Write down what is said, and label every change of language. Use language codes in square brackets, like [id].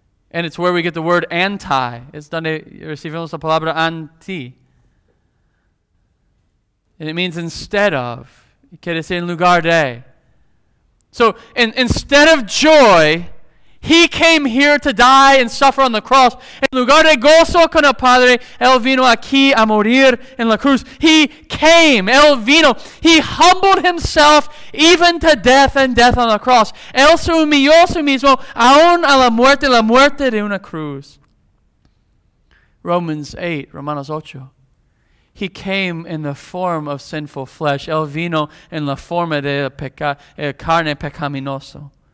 [en] And it's where we get the word "anti." It's [es] donde recibimos la palabra [en] "anti," and it means "instead of." [es] Quiere decir en lugar de. [en] So, instead of joy, he came here to die and suffer on the cross. [es] En lugar de gozo con el padre, él vino aquí a morir en la cruz. [en] He came, [es] él vino. [en] He humbled himself even to death and death on the cross. [es] Él se humilló a sí mismo aún a la muerte de una cruz. Romanos 8. [en] He came in the form of sinful flesh. [es] Él vino en la forma de la carne pecaminoso.